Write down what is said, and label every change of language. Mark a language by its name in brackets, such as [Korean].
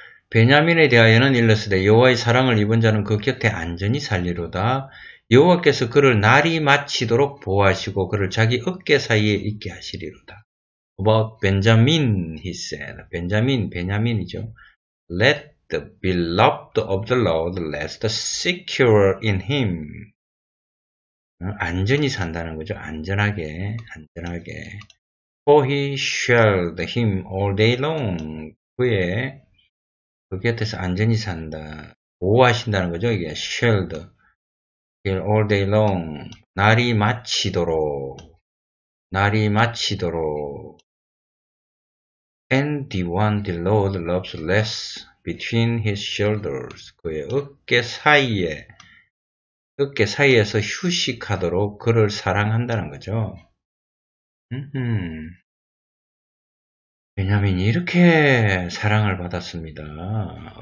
[Korean] 베냐민에 대하여는 일러스되 여호와의 사랑을 입은 자는 그 곁에 안전히 살리로다. 여호와께서 그를 날이 마치도록 보호하시고 그를 자기 어깨 사이에 있게 하시리로다. [English] About Benjamin, he said. 베냐민, 베냐민이죠. Let the beloved of the Lord rest secure in him. [Korean] 안전히 산다는 거죠. 안전하게, 안전하게. [English] For he shield him all day long. [Korean] 그의 그 곁에서 안전히 산다. 보호하신다는 거죠. 이게 [English] shield. All day long. [Korean] 날이 마치도록. 날이 마치도록. [English] And the one the Lord loves less between his shoulders. [Korean] 그의 어깨 사이에. 어깨 사이에서 휴식하도록 그를 사랑한다는 거죠. 베냐민이 이렇게 사랑을 받았습니다.